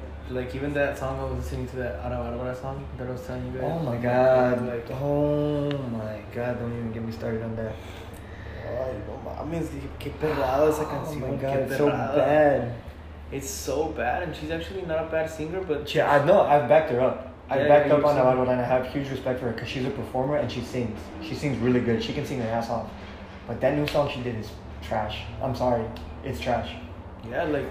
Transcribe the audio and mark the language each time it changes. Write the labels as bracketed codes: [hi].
[en] Like even that song I was listening to, that Arawarawara song that I was telling you guys. Oh my god. Like, oh my god, don't even get me started on that. I mean, [es] que perrada esa canción. [en] Oh my god, it's so bad. It's so bad, and she's actually not a bad singer, but... Yeah, I know, I've backed her up. I backed up on Arawarawara, and I have huge respect for her, because she's a performer, and she sings. She sings really good. She can sing her ass off. But that new song she did is trash. I'm sorry, it's trash. Yeah, like